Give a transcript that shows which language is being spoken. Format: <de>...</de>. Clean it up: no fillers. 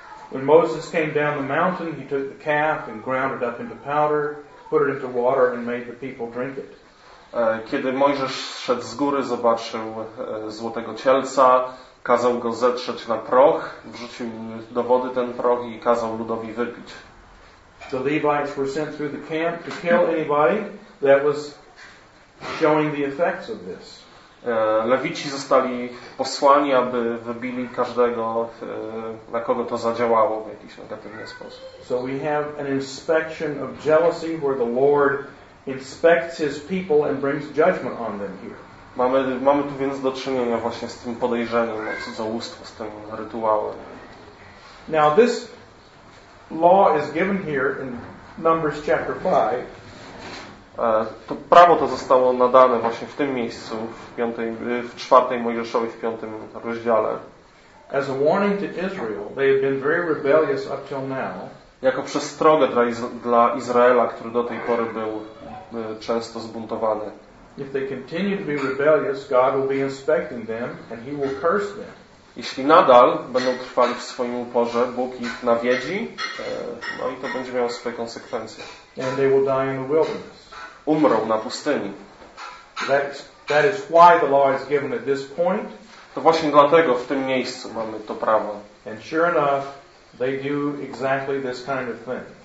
<en>When Moses came down the mountain, he took the calf and ground it up into powder, put it into water and made the people drink it.</en> <pl>Kiedy Mojżesz szedł z góry, zobaczył złotego cielca, kazał go zetrzeć na proch, wrzucił do wody ten proch i kazał ludowi wypić.</pl> <en>The Levites were sent through the camp to kill anybody that was showing the effects of this.</en> <pl>Lewici zostali posłani, aby wybili każdego, na kogo to zadziałało w jakiś negatywny sposób.</pl> <en>So we have an inspection of jealousy where the Lord inspects his people and brings judgment on them here.</en> <pl>Mamy tu więc do czynienia właśnie z tym podejrzeniem na cudzołóstwo, z tym rytuałem.</pl> <en>Now this law is given here in Numbers chapter 5.</en> <pl>To prawo to zostało nadane właśnie w tym miejscu, w czwartej Mojżeszowej, w piątym rozdziale.</pl> <en>As a warning to Israel, they have been very rebellious up till now.</en> <pl>Jako przestrogę dla Izraela, który do tej pory był często zbuntowany.</pl> <en>If they continue to be rebellious, God will be inspecting them and he will curse them.</en> <pl>Jeśli nadal będą trwali w swoim uporze, Bóg ich nawiedzi, no i to będzie miało swoje konsekwencje.</pl> <en>And they will die in the wilderness.</en> <pl>Umrą na pustyni.</pl> <en>That is why the law is given at this point.</en> <pl>To właśnie dlatego w tym miejscu mamy to prawo.</pl> <en>And sure enough, they do exactly this kind of thing.</en>